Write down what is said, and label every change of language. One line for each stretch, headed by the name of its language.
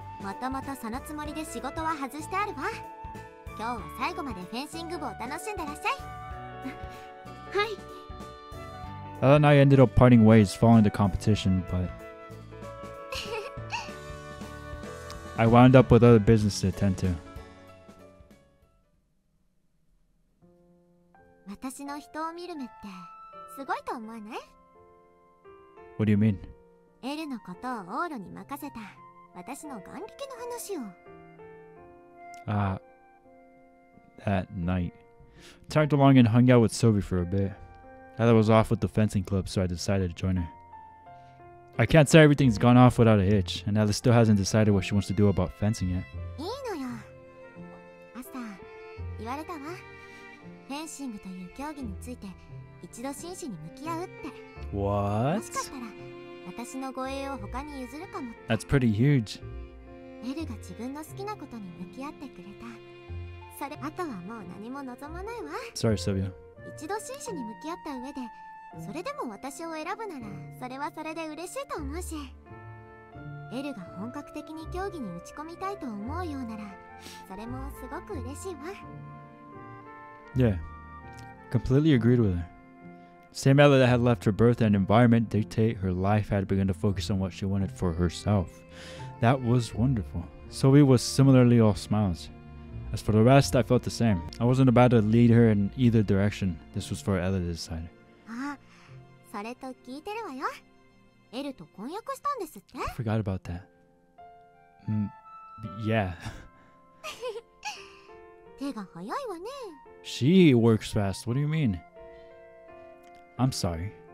Japanese: またまたそのつもりで仕事は外してあるわ。今日は最後までフェンシング部を楽しんでらっしゃい。はい。
English: Ella and I ended up parting ways following the competition, but. I wound up with other business to attend to.
Japanese: 私の人を見る目ってすごいと思わない?
English: What do you mean?
Japanese: エルのことをオーロに任せた私の眼力の話を。
English: That night. Tagged along and hung out with Sylvie for a bit. Ella was off with the fencing club, so I decided to join her. I can't say everything's gone off without a hitch, and Ella still hasn't decided what she wants to do about fencing yet.
Japanese: いいのよ。朝、言われたわ。フェンシングという競技について一度真摯に向き合うって。
English: What?
Japanese: もしかしたら、私の護衛を他に譲るかも。
English: That's pretty huge.
Japanese: エルが自分の好きなことに向き合ってくれた。それ、あとはもう何も望まないわ。
English: Sorry, Sylvia.
Japanese: 一度真摯に向き合った上で、それでも私を選ぶなら、それはそれで嬉しいと思うし。エルが本格的に競技に打ち込みたいと思うようなら、それもすごく嬉しいわ。
English: Yeah, completely agreed with her. Same Ella that had left her birth and environment dictate her life had begun to focus on what she wanted for herself. That was wonderful. Sylvie was similarly all smiles. As for the rest, I felt the same. I wasn't about to lead her in either direction. This was for Ella to decide.
Japanese: Ah, それと聞いてるわよ。エルと婚約したんですって?
English: I forgot about that. Yeah.
Japanese: 手が早いわね。
English: She works fast. What do you mean? I'm sorry.